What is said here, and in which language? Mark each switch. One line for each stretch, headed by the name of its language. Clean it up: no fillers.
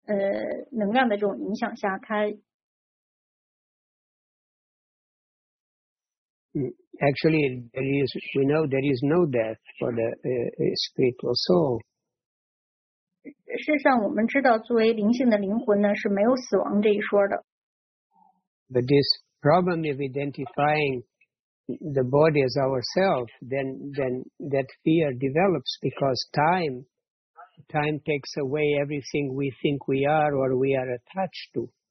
Chinese: 但是呢，就是这个生物体它的这种恐惧的这种特征呢，是由于就是它对于这个死亡的恐惧的这个特征呢，是由于它在物质能量的这种影响下，它。
English: Actually, there is no death for the spiritual soul.
Chinese: 事实上，我们知道，作为灵性的灵魂呢，是没有死亡这一说的。
English: But this problem of identifying the body as ourselves, then that fear develops because time takes away everything we think we are or we are attached to.